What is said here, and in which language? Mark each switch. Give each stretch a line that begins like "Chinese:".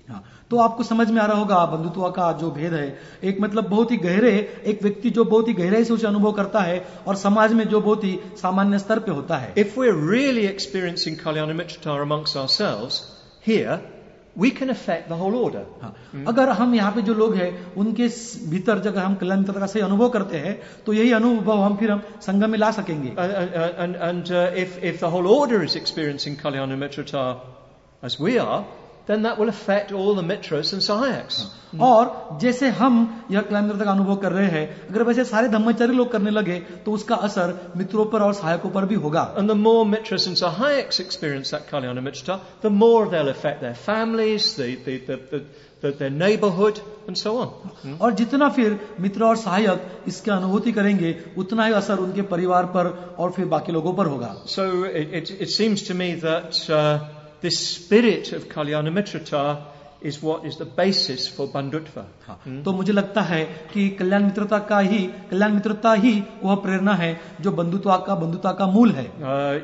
Hindi: तो आपको समझ में आ रहा होगा बंधुत्व का जो भेद है. एक मतलब बहुत ही गहरे, एक व्यक्ति जो बहुत ही गहराई से उसे अनुभव करता है और समाज में जो बहुत ही सामान्य स्तर पे होता है.
English: If we're really experiencing Kalyanamitrata amongst ourselves here, we can affect the whole order.
Hindi: अगर हम यहाँ पे जो लोग हैं उनके भीतर जगह हम कल्याणमित्रता का सही अनुभव करते हैं तो यही अनुभव हम फिर हम संगम में ला सकेंगे.
English: And if the whole order is experiencing Kalyanamitrata as we are, then that will affect all the mitras and sahayaks.
Hindi: और जैसे हम यह कल्याणमित्रता का अनुभव कर रहे हैं अगर वैसे सारे धर्मचारी लोग करने लगे तो उसका असर मित्रों पर और सहायकों पर भी होगा.
English: And the more mitras and sahayaks experience that Kalyanamitrata, the more they'll affect their families, their neighborhood and so on.
Hindi: और जितना फिर मित्र और सहायक इसके अनुभूति करेंगे उतना ही असर उनके परिवार पर और फिर बाकी लोगों पर होगा.
English: So it seems to me that this spirit of Kalyanamitrata is what is the basis for Bandhutva.
Hindi: तो मुझे लगता है कि कल्याण मित्रता का ही वह प्रेरणा है जो बंधुता का मूल है.